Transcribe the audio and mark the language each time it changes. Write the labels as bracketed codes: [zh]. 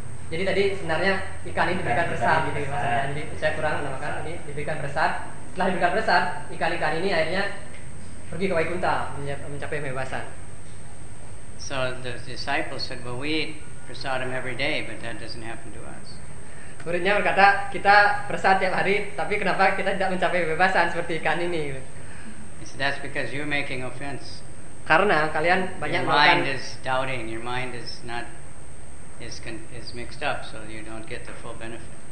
[id] Jadi tadi sebenarnya ikan ini diberikan bersar, gitu maksudnya. Jadi saya kurang menamakan ini diberikan bersar. Setelah diberikan bersar, ikan-ikan ini akhirnya pergi ke Vaikuntha mencapai kebebasan. [en] So the disciples said, "Well, we eat prasadam every day, but that doesn't happen to us." [id] Muridnya berkata, kita prasad tiap hari, tapi kenapa kita tidak mencapai kebebasan seperti ikan ini? [en] He said, "That's because you're making offense." [id] Karena kalian banyak melakukan. [en] Your mind is doubting. Your mind is not is mixed up, so you don't get the full benefit.